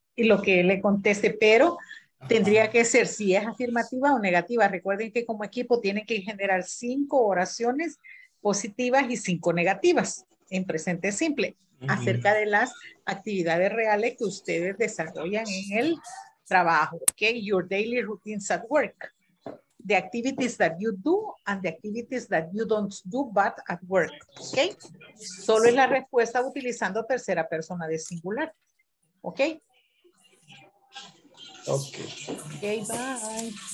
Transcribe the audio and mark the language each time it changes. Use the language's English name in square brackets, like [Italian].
[Spanish] y lo que le conteste, pero ajá, tendría que ser si es afirmativa o negativa. Recuerden que como equipo tienen que generar 5 oraciones positivas y 5 negativas en presente simple, uh-huh, acerca de las actividades reales que ustedes desarrollan en el trabajo. [English] Okay, your daily routines at work. The activities that you do and the activities that you don't do but at work, okay? [Spanish] Solo es la respuesta utilizando tercera persona de singular, okay? [English] Okay. Okay, bye.